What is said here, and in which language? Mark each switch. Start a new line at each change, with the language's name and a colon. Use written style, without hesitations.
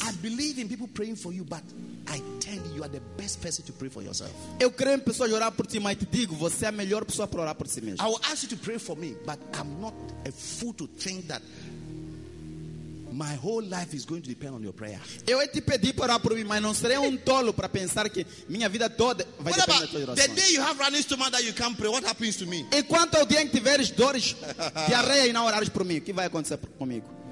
English: I believe in people praying for you, but I tell you, you are the best person to pray for yourself.
Portuguese: Eu creio em pessoas orar por ti, mas te digo, você é a melhor pessoa para orar por si mesmo.
English: I will ask you to pray for me, but I'm not a fool to think that My whole life is going to depend on your prayer.
Portuguese: Eu te pedi para orar por mim, mas não serei um tolo para pensar que minha vida toda vai depender das tuas orações.
English: The day you have running stomach that you can't pray, what happens to me?
Portuguese: Enquanto ao dia em que tiveres dores, diarreia e não orares por mim, o que vai acontecer comigo?